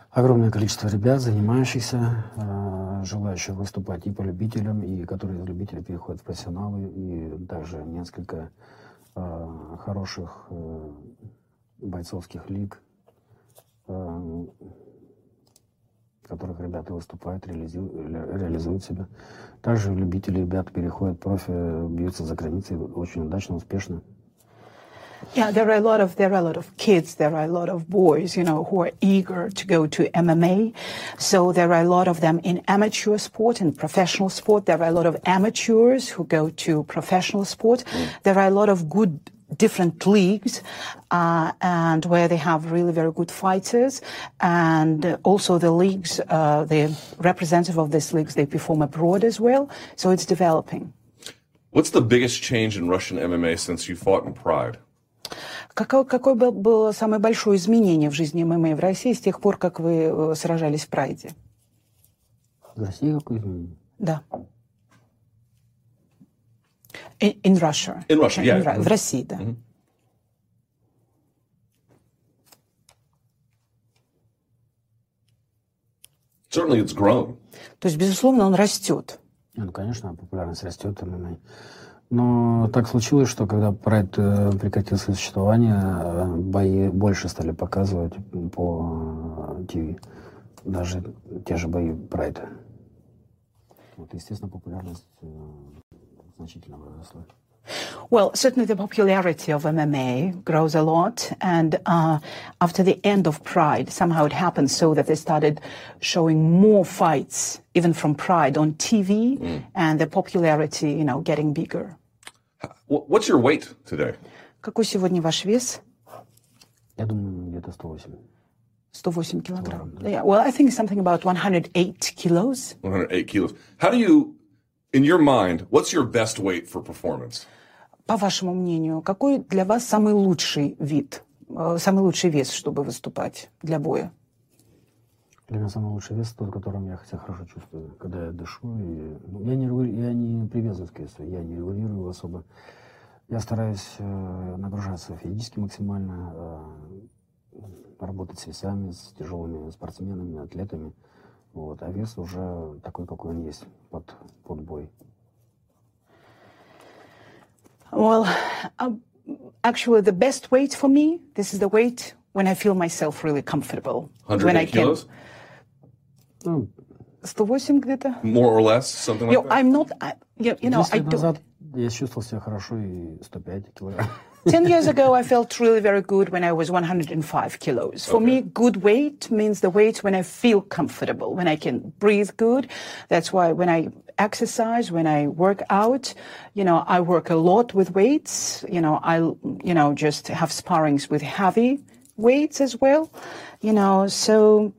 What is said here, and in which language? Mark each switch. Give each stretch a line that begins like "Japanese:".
Russian: Огромное количество ребят, занимающихся, желающих выступать и по любителям, и которые из любителей переходят в профессионалы, и также несколько хороших бойцовских лиг, в которых ребята выступают, реализуют себя. Также любители ребят переходят в профи, бьются за границей очень удачно, успешно.
English: Yeah, there are a lot of kids, there are a lot of boys, you know, who are eager to go to MMA. So there are a lot of them in amateur sport, in professional sport. There are a lot of amateurs who go to professional sport. There are a lot of good different leagues, and where they have really very good fighters, and also the leagues, the representative of these leagues, they perform abroad as well. So it's developing. What's the biggest change in Russian MMA since you fought in Pride?
Russian: Какое было самое большое изменение в жизни ММА в России с тех пор, как вы сражались в Прайде? В России какое изменение? Да.
English: In Russia. In Russia, yeah.
Russian: В России, да.
English: Mm-hmm. Certainly it's grown.
Russian: То есть, безусловно, он растет. Ну, конечно, популярность растет ММА. Но так случилось, что когда Pride прекратил свое существование, бои больше стали показывать по ТВ. Даже те же бои Pride. Вот, естественно, популярность значительно выросла.
English: Well, certainly the popularity of MMA grows a lot, and after the end of Pride, somehow it happened so that they started showing more fights, even from Pride, on TV, and the popularity, you know, getting bigger. What's your weight today?
Russian: Какой сегодня ваш вес? Я думаю, где-то 108. 108 килограмм.
English: Yeah, well, I think something about 108 kilos. 108 kilos. How do you, in your mind, what's your best weight for performance?
Russian: По вашему мнению, какой для вас самый лучший вид, самый лучший вес, чтобы выступать для боя? Для меня самый лучший вес тот, которым я себя хорошо чувствую, когда я дышу. И... Я не привязываюсь к весу, я не регулирую особо. Я стараюсь нагружаться физически максимально, работать с весами, с тяжелыми спортсменами, атлетами. Вот. А вес уже такой, какой он есть под бой.
English: Well, actually the best weight for me, this is the weight when I feel myself really comfortable. 108 kilos? Can...
Russian: 108 где-то.
English: More or less, something like that? I'm not, you know, I don't...
Russian: 10 лет назад я чувствовал себя хорошо и 105 килограмм.
English: 10 years ago I felt really very good when I was 105 kilos. For me, good weight means the weight when I feel comfortable, when I can breathe good. That's why when I exercise, when I work out, you know, I work a lot with weights. You know, I, you know, just have sparrings with heavy weights as well, you know, so...